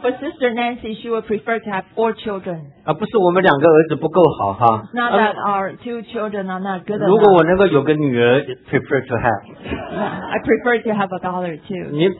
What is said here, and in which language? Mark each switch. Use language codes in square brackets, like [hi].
[en] for Sister Nancy, she would prefer to have 4 children. [zh] 不是我们两个儿子不够好哈。 [en] Not that our 2 children are not good. [zh] 如果我能够有个女儿 ， [en] prefer to have. I prefer to have a daughter too.